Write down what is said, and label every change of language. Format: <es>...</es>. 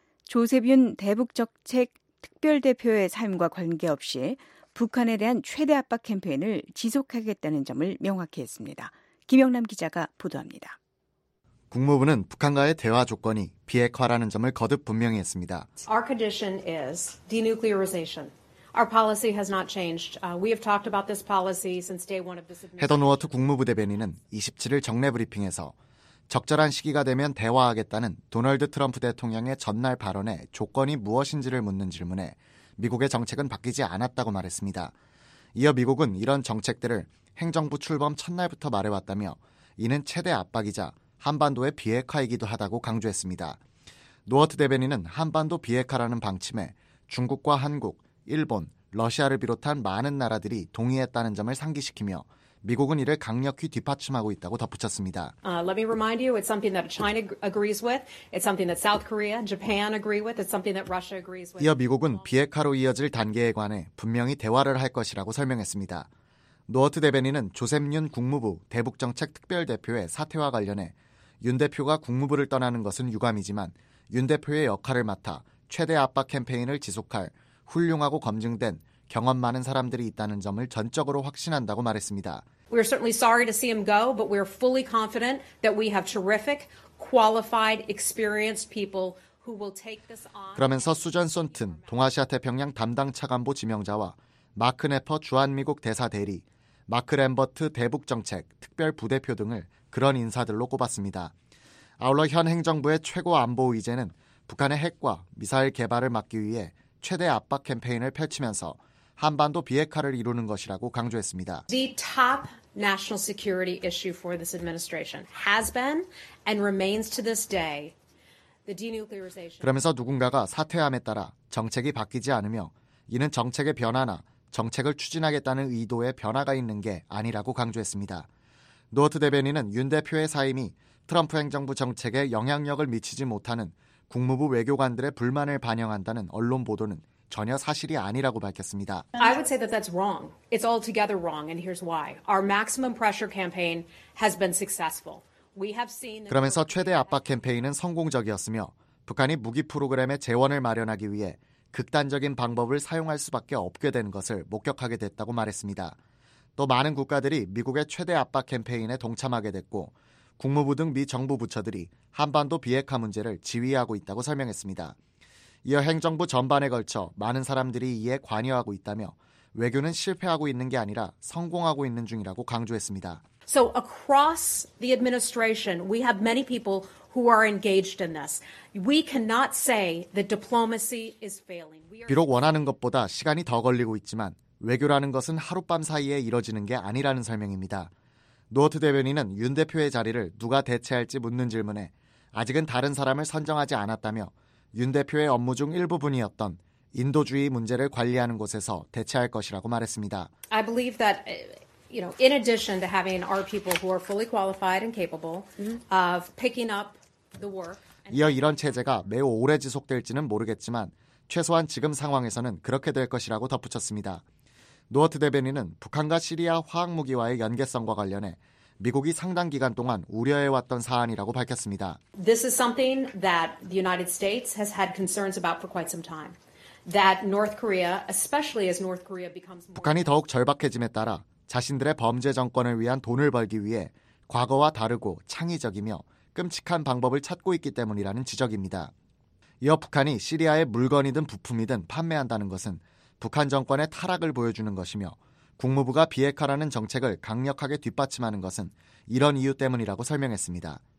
<ko>조세빈 대북정책특별대표의 삶과 관계없이 북한에 대한 최대 압박 캠페인을 지속하겠다는 점을 명확히 했습니다. 김영남 기자가 보도합니다. 국무부는 북한과의 대화 조건이 비핵화라는 점을 거듭 분명히 했습니다.</ko> <en>Our condition is denuclearization. Our policy has not changed. We have talked about this policy since day one of this administration.</en> <ko>헤더 노어트 국무부 대변인은 27일 정례 브리핑에서 적절한 시기가 되면 대화하겠다는 도널드 트럼프 대통령의 전날 발언에 조건이 무엇인지를 묻는 질문에 미국의 정책은 바뀌지 않았다고 말했습니다. 이어 미국은 이런 정책들을 행정부 출범 첫날부터 말해왔다며 이는 최대 압박이자 한반도의 비핵화이기도 하다고 강조했습니다. 노어트 대변인은 한반도 비핵화라는 방침에 중국과 한국, 일본, 러시아를 비롯한 많은 나라들이 동의했다는 점을 상기시키며 미국은 이를 강력히 뒷받침하고 있다고 덧붙였습니다.</ko> <en>Let me remind you, it's something that China agrees with. It's something that South Korea, Japan agree with. It's something that Russia agrees with.</en> <ko>이어 미국은 비핵화로 이어질 단계에 관해 분명히 대화를 할 것이라고 설명했습니다. 노어트 대변인은 조셉 윤 국무부 대북정책특별대표의 사퇴와 관련해 윤 대표가 국무부를 떠나는 것은 유감이지만 윤 대표의 역할을 맡아 최대 압박 캠페인을 지속할 훌륭하고 검증된 경험 많은 사람들이 있다는 점을 전적으로 확신한다고 말했습니다.</ko> <en>We are certainly sorry to see him go, but we are fully confident that we have terrific, qualified, experienced people who will take this on.</en> <ko>그러면서 수잔 손튼 동아시아 태평양 담당 차관보 지명자와 마크 네퍼 주한미국 대사 대리, 마크 램버트 대북정책 특별 부대표 등을 그런 인사들로 꼽았습니다. 아울러 현 행정부의 최고 안보 의제는 북한의 핵과 미사일 개발을 막기 위해 최대 압박 캠페인을 펼치면서 한반도 비핵화를 이루는 것이라고 강조했습니다.</ko> <en>The top national security issue for this administration has been and remains to this day the denuclearization.</en> <ko>그러면서 누군가가 사퇴함에 따라 정책이 바뀌지 않으며 이는 정책의 변화나 정책을 추진하겠다는 의도에 변화가 있는 게 아니라고 강조했습니다. 노어트 대변인은 윤 대표의 사임이 트럼프 행정부 정책에 영향력을 미치지 못하는 국무부 외교관들의 불만을 반영한다는 언론 보도는 전혀 사실이 아니라고 밝혔습니다.</ko> <en>I would say that that's wrong. It's altogether wrong, and here's why. Our maximum pressure campaign has been successful. We have seen.</en> <ko>그러면서 최대 압박 캠페인은 성공적이었으며 북한이 무기 프로그램의 재원을 마련하기 위해 극단적인 방법을 사용할 수밖에 없게 된 것을 목격하게 됐다고 말했습니다. 또 많은 국가들이 미국의 최대 압박 캠페인에 동참하게 됐고 국무부 등 미 정부 부처들이 한반도 비핵화 문제를 지휘하고 있다고 설명했습니다. 이어 행정부 전반에 걸쳐 많은 사람들이 이에 관여하고 있다며 외교는 실패하고 있는 게 아니라 성공하고 있는 중이라고 강조했습니다.</ko> <en>So across the administration, we have many people who are engaged in this. We cannot say that diplomacy is failing.</en> <ko>비록 원하는 것보다 시간이 더 걸리고 있지만 외교라는 것은 하룻밤 사이에 이뤄지는 게 아니라는 설명입니다. 노어트 대변인은 윤 대표의 자리를 누가 대체할지 묻는 질문에 아직은 다른 사람을 선정하지 않았다며 윤 대표의 업무 중 일부분이었던 인도주의 문제를 관리하는 곳에서 대체할 것이라고 말했습니다.</ko> <en>I believe that, you know, in addition to having our people who are fully qualified and capable of picking up the work.</en> <ko>이어 이런 체제가 매우 오래 지속될지는 모르겠지만 최소한 지금 상황에서는 그렇게 될 것이라고 덧붙였습니다. 노어트 대변인은 북한과 시리아 화학무기와의 연계성과 관련해 미국이 상당 기간 동안 우려해왔던 사안이라고 밝혔습니다.</ko> <en>This is something that the United States has had concerns about for quite some time. That North Korea, especially as North Korea becomes more...</en> <ko>북한이 더욱 절박해짐에 따라 자신들의 범죄 정권을 위한 돈을 벌기 위해 과거와 다르고 창의적이며 끔찍한 방법을 찾고 있기 때문이라는 지적입니다. 이어 북한이 시리아에 물건이든 부품이든 판매한다는 것은 북한 정권의 타락을 보여주는 것이며 국무부가 비핵화라는 정책을 강력하게 뒷받침하는 것은 이런 이유 때문이라고 설명했습니다.</ko>